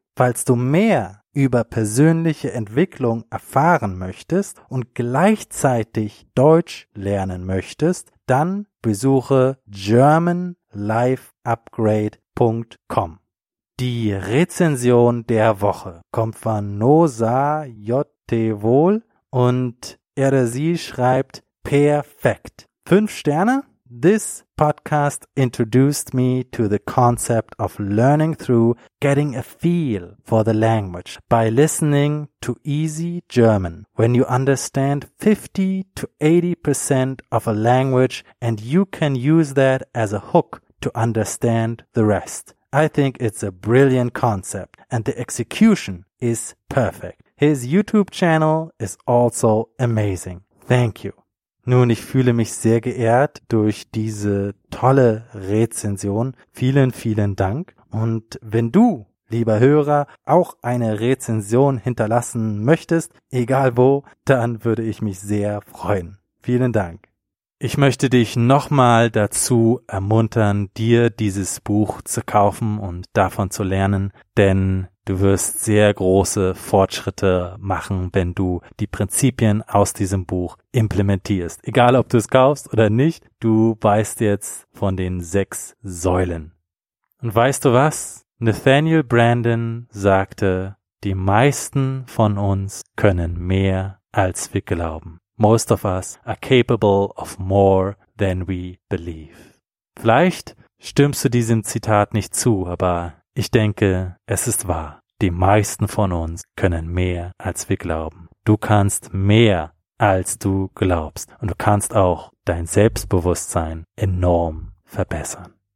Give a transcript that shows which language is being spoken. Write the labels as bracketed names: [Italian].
[German] Falls du mehr über persönliche Entwicklung erfahren möchtest und gleichzeitig Deutsch lernen möchtest, dann besuche germanlifeupgrade.com. Die Rezension der Woche kommt von Nosa JT Wohl und er oder sie schreibt perfekt. 5 Sterne. [English] This podcast introduced me to the concept of learning through getting a feel for the language by listening to easy German. When you understand 50 to 80% of a language and you can use that as a hook to understand the rest. I think it's a brilliant concept and the execution is perfect. His YouTube channel is also amazing. Thank you. [German] Nun, ich fühle mich sehr geehrt durch diese tolle Rezension. Vielen, vielen Dank. Und wenn du, lieber Hörer, auch eine Rezension hinterlassen möchtest, egal wo, dann würde ich mich sehr freuen. Vielen Dank. Ich möchte dich nochmal dazu ermuntern, dir dieses Buch zu kaufen und davon zu lernen, denn du wirst sehr große Fortschritte machen, wenn du die Prinzipien aus diesem Buch implementierst. Egal, ob du es kaufst oder nicht, du weißt jetzt von den 6 Säulen. Und weißt du was? Nathaniel Branden sagte, die meisten von uns können mehr, als wir glauben. [English] Most of us are capable of more than we believe. [German] Vielleicht stimmst du diesem Zitat nicht zu, aber ich denke, es ist wahr. Die meisten von uns können mehr, als wir glauben. Du kannst mehr, als du glaubst. Und du kannst auch dein Selbstbewusstsein enorm verbessern.